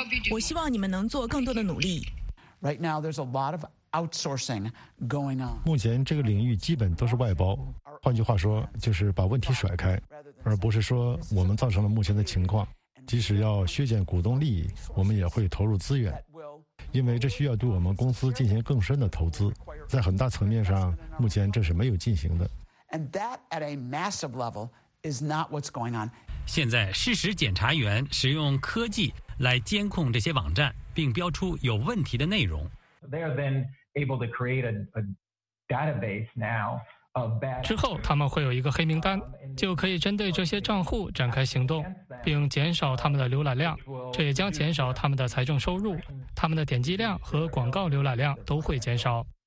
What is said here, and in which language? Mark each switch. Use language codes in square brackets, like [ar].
[zh] 我希望你们能做更多的努力。 [en] Right now, there's a lot of outsourcing going on. [zh] 目前这个领域基本都是外包，换句话说就是把问题甩开，而不是说我们造成了目前的情况。即使要削减股东利益，我们也会投入资源，因为这需要对我们公司进行更深的投资。在很大层面上，目前这是没有进行的。 [en] And that at a massive level is not what's going on. [zh] 现在事实检查员使用科技来监控这些网站，并标出有问题的内容。之后他们会有一个黑名单，就可以针对这些账户展开行动，并减少他们的浏览量，这也将减少他们的财政收入，他们的点击量和广告浏览量都会减少。